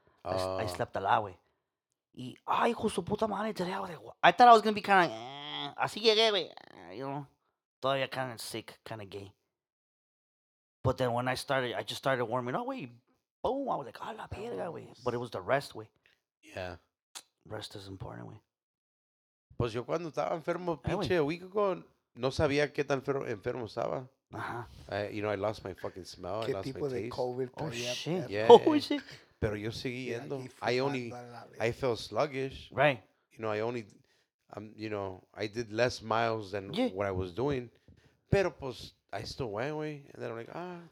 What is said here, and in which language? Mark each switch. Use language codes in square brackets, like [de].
[en] I slept a lot, güey. [es] Y, ay, hijo su puta madre, [en] today I was like, I thought I was going to be kind of, [es] así llegué, güey, [en] you know, [es] todavía [en] kind of sick, kind of gay. But then when I just started warming up, güey, boom, I was like, [es] a la verga, güey. [en] But it was the rest, güey. Yeah. Rest is important, güey. [es] Pues yo cuando estaba enfermo, pinche, [en] a week ago, [es] no sabía qué tan enfermo estaba. Ajá. [en] You know, I lost my fucking smell, I lost my taste. [es] ¿Qué tipo de COVID? [en] Oh, shit. Yeah. Oh, shit. [es] Pero yo seguí yendo. [en] I only, I felt sluggish. Right. You know, I only, you know, I did less miles than what I was doing. [es] Pero pues, [en] I still went away. And then I'm like,